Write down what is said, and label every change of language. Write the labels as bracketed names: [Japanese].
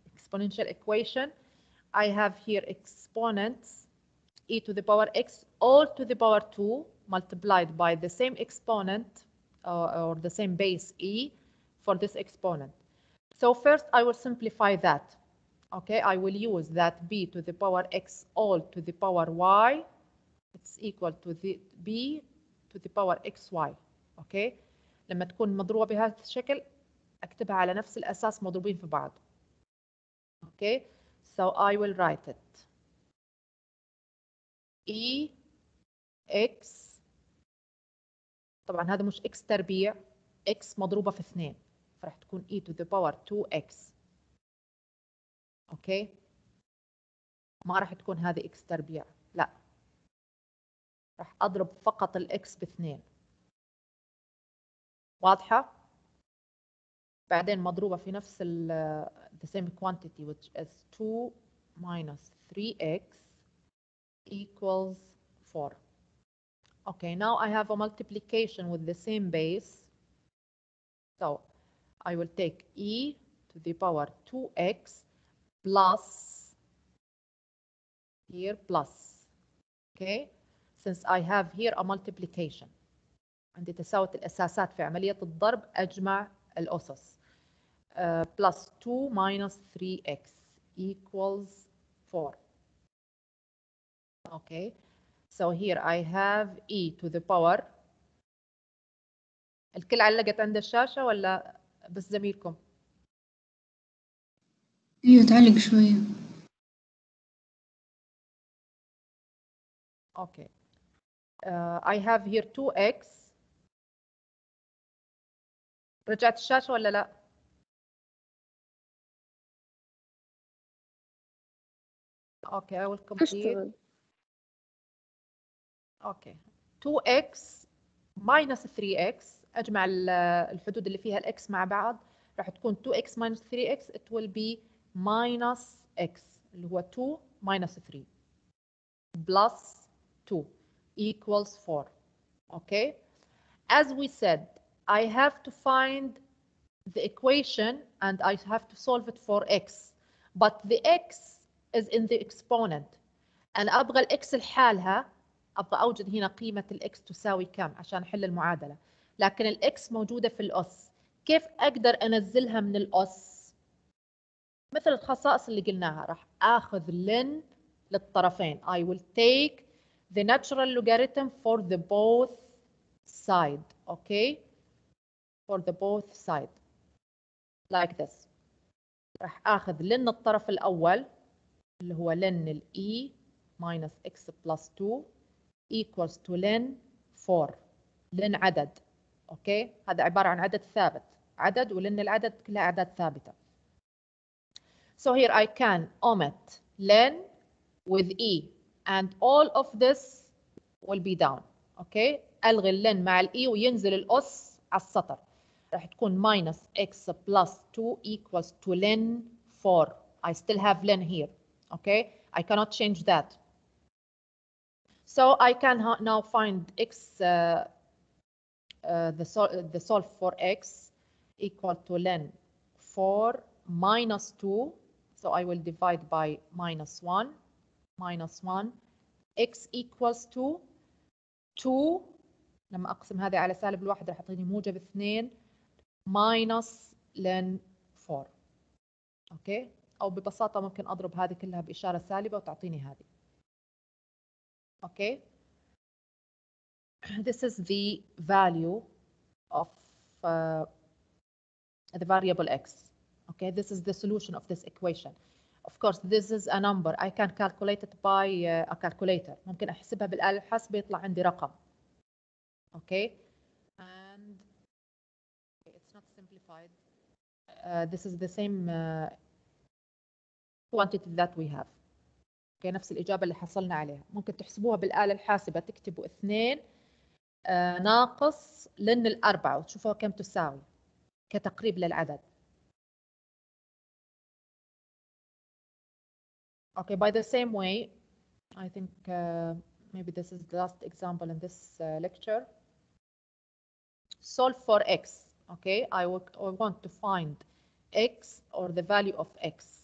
[English] Exponential equation. I have here exponents, e to the power x, all to the power 2, multiplied by the same exponent or the same base e for this exponent. So first I will simplify that. Okay, I will use that b to the power x all to the power y. It's equal to the b to the power xy. [Arabic] Okay, لما تكون مضروبة بهذا الشكل اكتبها على نفس الأساس مضروبين في بعض. [English] Okay, so I will write it. [Arabic] E x. طبعا هذا مش x تربيع. X مضروبة في 2. فرح تكون [English] e to the power 2x. [Arabic] Okay. ما رح تكون هذه x تربيع. لا. رح أضرب فقط ال x باثنين. واضحة؟ بعدين مضروبة في نفس ال [English] the same quantity which is 2 minus 3x equals 4. Okay, now I have a multiplication with the same base. So I will take e to the power 2x plus here plus. Okay, since I have here a multiplication. [Arabic] عندي تساوت الأساسات في عملية الضرب أجمع الأسس. [English] Plus 2 minus 3x equals 4. Okay, so here I have e to the power. [Arabic] الكل علقت عند الشاشة ولا بس زميلكم؟ ايوه تعلق شوية. [English] Okay, I have here 2x. [Arabic] رجعت الشاشة ولا لا؟ [English] Okay, I will complete. Okay, 2x minus 3x. [Arabic] أجمع الحدود اللي فيها x مع بعض. راح تكون [English] 2x minus 3x. It will be minus x. [Arabic] اللي هو [English] 2 minus 3 plus 2 equals 4. Okay. As we said, I have to find the equation and I have to solve it for x. But the x is in the exponent. [Arabic] أنا أبغى الx لحالها، أبغى أوجد هنا قيمة الx تساوي كم عشان أحل المعادلة. لكن الx موجودة في الأس. كيف أقدر أنزلها من الأس؟ مثل الخصائص اللي قلناها، راح آخذ ln للطرفين. [English] I will take the natural logarithm for the both side. Okay? For the both side. Like this. [Arabic] راح آخذ ln الطرف الأول. اللي هو ln ال e [English] minus x plus 2 equals to [Arabic] ln 4. ln عدد. اوكي؟ هذا عبارة عن عدد ثابت. عدد ولن العدد كلها أعداد ثابتة. [English] So here I can omit ln with e and all of this will be down. [Arabic] اوكي؟ ألغي ln مع ال e وينزل الأس على السطر. راح تكون [English] minus x plus 2 equals to ln 4. I still have ln here. Okay, I cannot change that. So I can now find x, the solve for x equal to ln 4 minus 2. So I will divide by minus 1, minus 1. X equals to 2. [Arabic] لما أقسم هذا على سالب الواحد رح تعطيني موجب 2 minus ln 4. [English] Okay. [Arabic] أو ببساطة ممكن أضرب هذه كلها بإشارة سالبة وتعطيني هذه. [English] Okay. This is the value of the variable x. Okay. This is the solution of this equation. Of course, this is a number. I can calculate it by a calculator. [Arabic] ممكن أحسبها بالآلة الحاسبة يطلع عندي رقم. [English] Okay. And it's not simplified. This is the same quantity that we have. Okay, [Arabic] نفس الإجابة اللي حصلنا عليها. ممكن تحسبوها بالآلة الحاسبة تكتبوا 2 ناقص لن الأربعة، وتشوفوا كم تساوي كتقريب للعدد. [English] Okay, by the same way, I think maybe this is the last example in this lecture. Solve for x. Okay, I want to find x or the value of x.